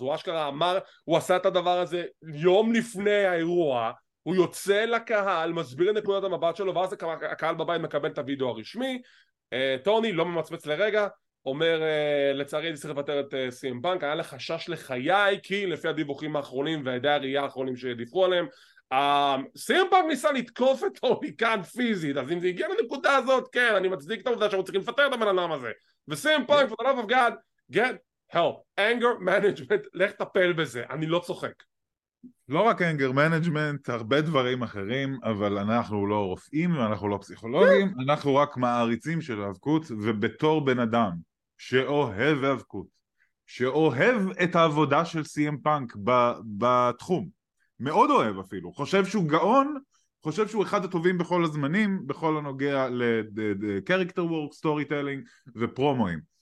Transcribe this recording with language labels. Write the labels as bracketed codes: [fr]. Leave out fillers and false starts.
[he] הוא אשכרה אמר, הוא עשה את הדבר הזה יום לפני האירוע, הוא יוצא לקהל, מסביר את נקודת המבט שלו, ואז הקהל בבית מקבל את הוידאו הרשמי, טוני לא ממצמץ לרגע, אומר, לצערי הייתי צריך לפטר את סי-אם פאנק, היה לך חשש לחיי, כי לפי הדיווחים האחרונים והעדי הראייה האחרונים שדיווחו עליהם, סי-אם פאנק ניסה לתקוף את הוליקן פיזית, אז אם זה הגיע לנקודה הזאת, כן, אני מצדיק את העובדה שאנחנו צריכים לפטר את הבן אדם הזה. וסי-אם פאנק, [en] for the love of God, get help, anger management, [he] לך תפל בזה, אני לא צוחק. לא רק anger management, הרבה דברים אחרים, אבל אנחנו לא רופאים, אנחנו לא פסיכולוגים, אנחנו רק מעריצים של האבקות, ובתור בן אדם שאוהב האבקות, שאוהב את העבודה של CM Punk בתחום, מאוד אוהב אפילו, חושב שהוא גאון, חושב שהוא אחד הטובים בכל הזמנים, בכל הנוגע ל-character work, storytelling ופרומוים.